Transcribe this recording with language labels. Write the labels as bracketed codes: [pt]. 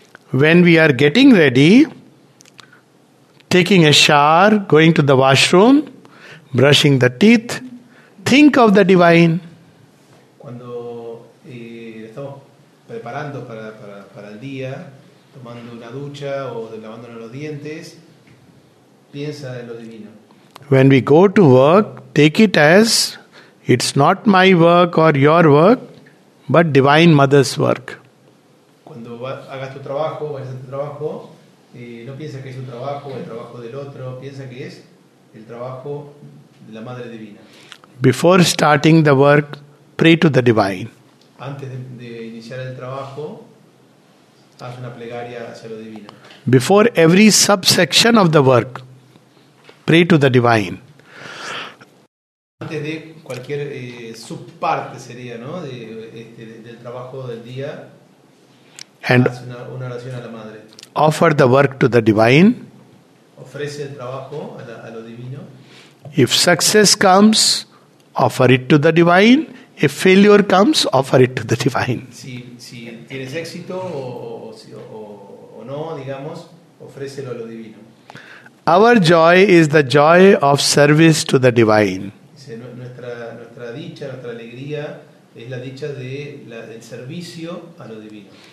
[en] When we are getting ready, taking a shower, going to the washroom, brushing the teeth, think of the divine. [es] Cuando estamos preparando para el día, tomando una ducha o lavándonos los dientes, piensa en lo divino. [en] When we go to work, take it as it's not my work or your work, but Divine Mother's work. [es] Cuando hagas tu trabajo, vayas a tu trabajo, no pienses que es un trabajo o el trabajo del otro, piensa que es el trabajo de la Madre Divina. [en] Before starting the work, pray to the Divine. [es] Antes de iniciar el trabajo, haz una plegaria hacia lo divino. [en] Before every subsection of the work, pray to the Divine. [es] Antes de cualquier subparte sería, ¿no? Del trabajo del día, [en] and [es] haz una oración a la Madre. [en] Offer the work to the Divine. [es] Ofrece el trabajo a lo divino. [en] If success comes, offer it to the Divine. If failure comes, offer it to the Divine. [es] Si tienes éxito o no, digamos, ofrécelo a lo divino. [en] Our joy is the joy of service to the Divine. [es] Dice, nuestra dicha, nuestra alegría es la dicha del servicio a lo divino.